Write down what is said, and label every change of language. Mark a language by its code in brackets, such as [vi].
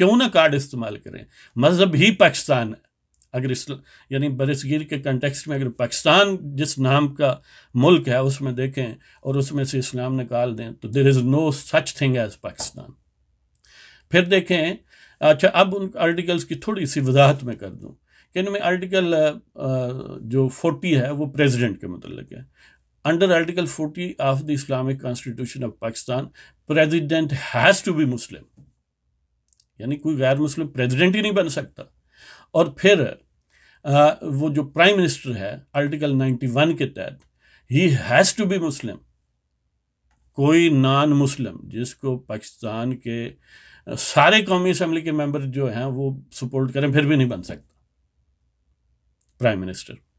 [ur] کیوں نہ کارڈ استعمال کریں, مذہب ہی پاکستان ہے. اگر اس یعنی برصغیر کے کنٹیکسٹ میں اگر پاکستان جس نام کا ملک ہے اس میں دیکھیں اور اس میں سے اسلام نکال دیں, تو [en] There is no such thing as Pakistan. [ur] پھر دیکھیں, اچھا اب ان آرٹیکلس کی تھوڑی سی وضاحت میں کر دوں کہ ان میں آرٹیکل جو 40 ہے وہ پریزیڈنٹ کے متعلق ہے, [en] under Article 40 of the Islamic Constitution of Pakistan, president has to be Muslim. [ur] یعنی کوئی غیر مسلم پریزیڈنٹ ہی نہیں بن سکتا. اور پھر وہ جو پرائم منسٹر ہے آرٹیکل 91 کے تحت, [en] He has to be Muslim. [ur] کوئی نان مسلم جس کو پاکستان کے سارے قومی اسمبلی کے ممبر جو ہیں وہ سپورٹ کریں, پھر بھی نہیں بن سکتا پرائم منسٹر.